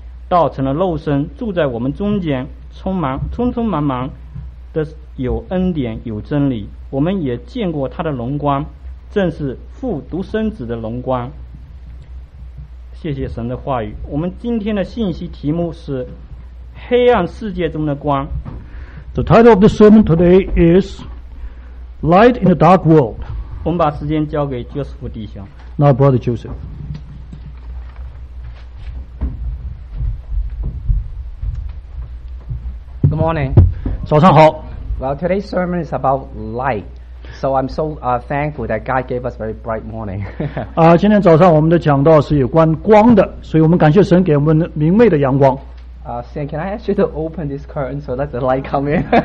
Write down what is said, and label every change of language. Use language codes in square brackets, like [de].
[zh] 道成了肉身，住在我们中间，匆匆忙忙的有恩典，有真理。我们也见过他的荣光，正是父独生子的荣光。谢谢神的话语。我们今天的信息题目是黑暗世界中的光。 [en] The title of the sermon today is Light in the Dark World. [zh] 我们把时间交给 Joseph 弟兄。 [en] Now, Brother Joseph. Good morning. [zh] 早上好。 [en] Well, today's sermon is about light. So I'm so thankful that God gave us a very bright morning. [zh] 今天早上我们的讲道是有关光的，所以我们感谢神给我们明媚的阳光。 [en] Sam, can I ask you to open this curtain so that the light come in?